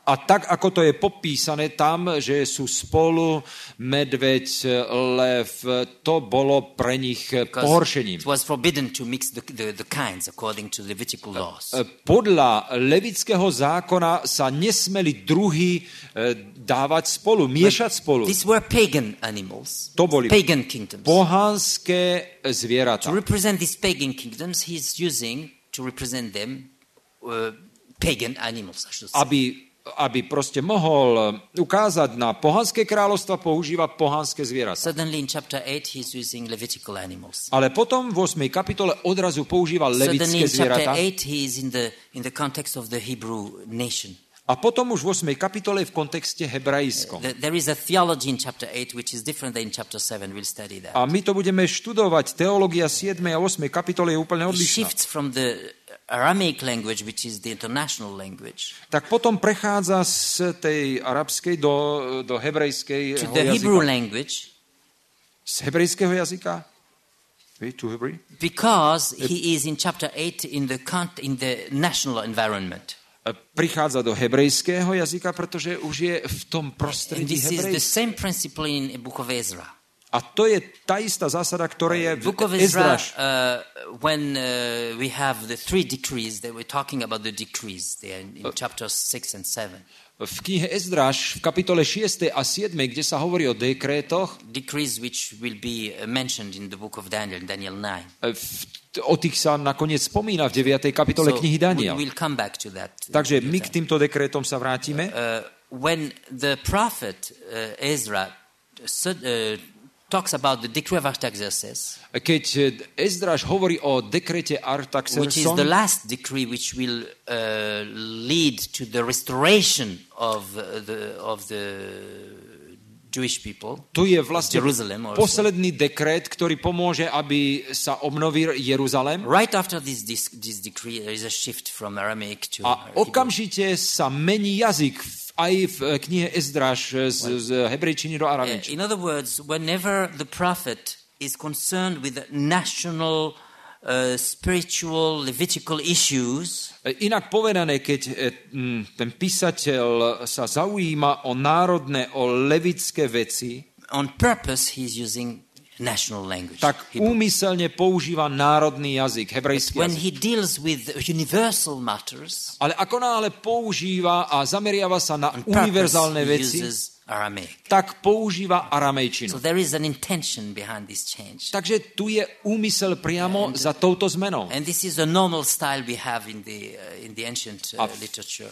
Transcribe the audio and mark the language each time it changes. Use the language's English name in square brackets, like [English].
[Slovak] A tak, ako to je popísané tam, že sú spolu medveď, lev, to bolo pre nich pohoršením. [English] It was forbidden to mix the kinds according to Levitical laws. [Slovak] Podľa levitského zákona sa nesmeli druhy dávať spolu, miešať spolu. [English] These were pagan animals. [Slovak] To boli [English] pagan kingdoms. [Slovak] Pohanské zvieratá. [English] To represent these pagan kingdoms, he's using to represent them pagan animals, I should say. [Slovak] Aby proste mohol ukázať na pohanské kráľovstva, používa pohanské zvieratá. [English] Suddenly in chapter 8 he's using Levitical animals. [Slovak] Ale potom v 8. kapitole odrazu používa levitské zvieratá. [English] Suddenly in chapter 8 he's in the context of the Hebrew nation. [Slovak] A potom už v 8. kapitole v kontexte hebrajskom. [English] There is a theology in chapter 8 which is different than in chapter 7. We'll study that. [Slovak] A my to budeme študovať. Teológia 7. a 8. kapitole je úplne odlišná. [English] Shifts from the Aramaic language, which is the international language. [Slovak] Tak potom prechádza z tej arabskej do hebrejskej jazyka. [English] To the Hebrew language. [Slovak] Z hebrejského jazyka? [English] To Hebrew? Because he is in chapter 8 in the national environment. [Slovak] Prichádza do hebrejského jazyka, pretože už je v tom prostredí hebrejského. [English] This is the same principle in Book of Ezra. [Slovak] A to je tá istá zásada, ktorá je v Ezraš. [English] When we have the three decrees that we're talking about the decrees there in chapters 6 and 7. [Slovak] V knihe Ezraš v kapitole 6. a 7., kde sa hovorí o dekrétoch, [English] decrees which will be mentioned in the book of Daniel, Daniel 9. [Slovak] O tých sa nakoniec spomína v 9. kapitole [English] so [Slovak] knihy Daniel. [English] We'll come back to that. [Slovak] Takže my k týmto dekrétom sa vrátime. [English] When the prophet Ezra said talks about the decree of Artaxerxes. [Slovak] Keď Ezdraž hovorí o dekrete Artaxerxes, [English] which is the last decree which will lead to the restoration of the Jewish people. [Slovak] To je vlastne Jerusalem, posledný dekret, ktorý pomôže, aby sa obnovil Jeruzalém. [English] Right after this decree there is a shift from Aramaic to [Slovak] A okamžite sa mení jazyk aj v knihe Ezdraž z hebrejčiny do arabičiny. [English] In other words, whenever the prophet is concerned with national spiritual levitical issues, [Slovak] inak povedané, keď ten písateľ sa zaujíma o národné, o levitské veci, [English] on purpose he's using national language. [Slovak] Tak úmyselne používa národný jazyk, hebrejský jazyk. [English] He deals with universal matters, [Slovak] ale ako náhle používa a zameriava sa na univerzálne veci, tak používa aramejčinu. [English] So there is an intention behind this change. [Slovak] Takže tu je úmysel priamo za touto zmenou. [English] And this is a normal style we have in the ancient literature.